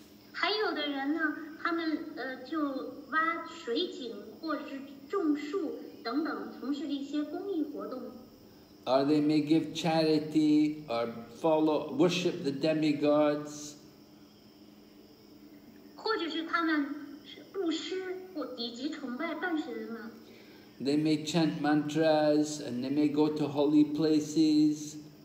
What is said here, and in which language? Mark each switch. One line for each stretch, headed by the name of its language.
Chinese: 还有的人呢，他们就挖水井或者是种树等等，从事一些公益活动。
English: Or they may give charity or worship the demigods.
Chinese: 或者是他们是布施或以及崇拜半神们。
English: They may chant mantras and they may go to holy places.